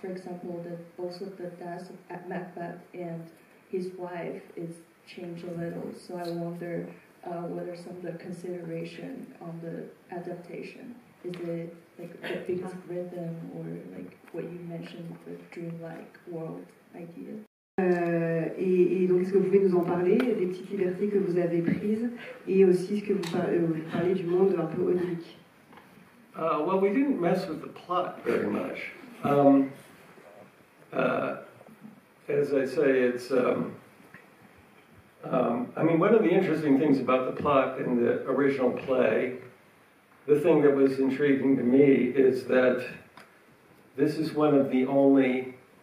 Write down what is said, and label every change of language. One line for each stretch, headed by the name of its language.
English: For example, also the death of Macbeth and his wife is changed a little. So I wonder what are some of the considerations on the adaptation. Is it like the biggest rhythm or like what you mentioned, the dreamlike world idea?
French: Et donc, est-ce que vous pouvez nous en parler, des petites libertés que vous avez prises, et aussi ce que vous parlez du monde un peu onirique?
English: Well, we didn't mess with the plot very much. As I say, it's... one of the interesting things about the plot in the original play, the thing that was intriguing to me is that this is one of the only...